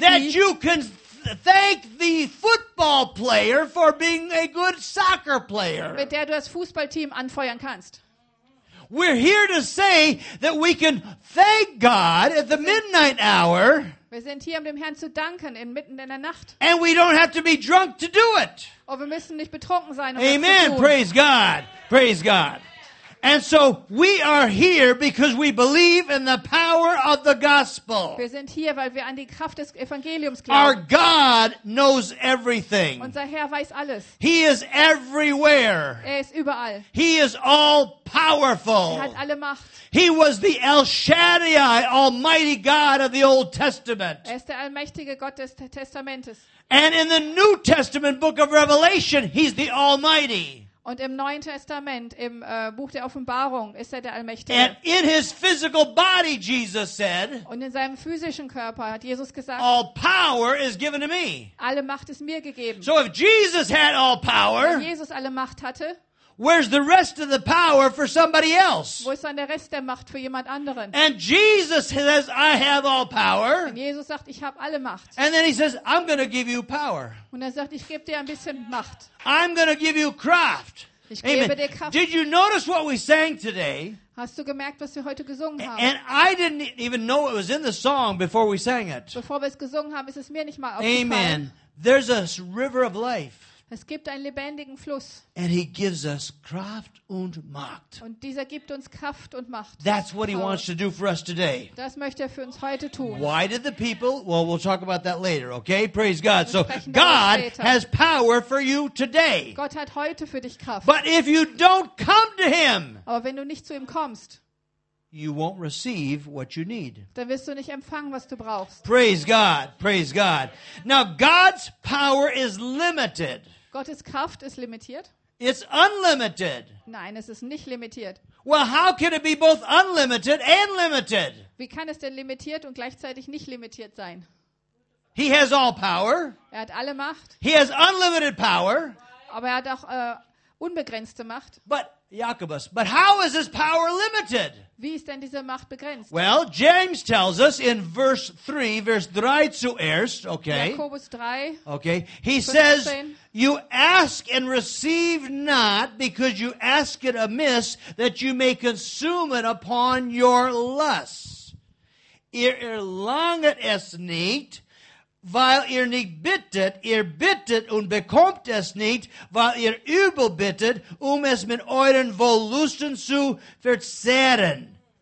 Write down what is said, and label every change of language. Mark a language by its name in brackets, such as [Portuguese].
[English] that you can thank the football player for being a good soccer player. [German] Mit der du das Fußballteam anfeuern kannst. [English] We're here to say that we can thank God at the midnight hour. [German] Wir sind hier, um dem Herrn zu danken inmitten in der Nacht. [English] And we don't have to be drunk to do it. [German] Und wir müssen nicht betrunken sein, um [English] Amen. [German] Das zu tun. [English] Amen. Praise God. Praise God. And so we are here because we believe in the power of the gospel. [German] Wir sind hier, weil wir an die Kraft des Evangeliums glauben. [English] Our God knows everything. [German] Unser Herr weiß alles. [English] He is everywhere. [German] Er ist überall. [English] He is all powerful. [German] Er hat alle Macht. [English] He was the El Shaddai, Almighty God of the Old Testament. [German] Er ist der allmächtige Gott des Testamentes. [English] And in the New Testament book of Revelation, he's the Almighty. [German] Und im Neuen Testament, im Buch der Offenbarung, ist er der Allmächtige. [English] And in his physical body, Jesus said, [German] und in seinem physischen Körper hat Jesus gesagt, [English] all power is given to me. [German] Alle Macht ist mir gegeben. [English] So if Jesus had all power, [German] wenn Jesus alle Macht hatte, [English] where's the rest of the power for somebody else? [German] Wo ist dann der Rest der Macht für jemand anderen? [English] And Jesus says, I have all power. [German] Und Jesus sagt, ich habe alle Macht. [English] And then he says, I'm going to give you power. [German] Und er sagt, ich gebe dir ein bisschen Macht. [English] I'm going to give you craft. [German] Ich gebe Amen. Dir Kraft. [English] Did you notice what we sang today? [German] Hast du gemerkt, was wir heute gesungen haben? [English] And I didn't even know it was in the song before we sang it. [German] Bevor wir es gesungen haben, ist es mir nicht mal aufgefallen. [English] Amen. There's a river of life. [German] Es gibt einen lebendigen Fluss. [English] And he gives us [German] Kraft und Macht. Und dieser gibt uns Kraft und Macht. [English] That's what he wants to do for us today. [German] Das möchte er für uns heute tun. [English] Why did the people? Well, we'll talk about that later, okay? Praise God. So God has power for you today. [German] Gott hat heute für dich Kraft. [English] But if you don't come to him, [German] aber wenn du nicht zu ihm kommst, [English] you won't receive what you need. [German] Dann wirst du nicht empfangen, was du brauchst. [English] Praise God. Praise God. Now God's power is limited. [German] Gottes Kraft ist limitiert. [English] It's unlimited. [German] Nein, es ist nicht limitiert. [English] Well, how can it be both unlimited and limited? [German] Wie kann es denn limitiert und gleichzeitig nicht limitiert sein? [English] He has all power. [German] Er hat alle Macht. [English] He has unlimited power. [German] Aber er hat auch unbegrenzte Macht. [English] But Jakobus, but how is his power limited? [German] Wie ist denn diese Macht begrenzt? [English] Well, James tells us in verse 3, verse 3 [German] zuerst, [English] okay. [German] Jakobus 3. [English] Okay. He says, you ask and receive not because you ask it amiss that you may consume it upon your lusts. [German] Ihr erlanget es nicht, weil ihr nicht bittet, ihr bittet und bekommt es nicht, weil ihr übel bittet, es mit euren Wollüsten zu verzehren.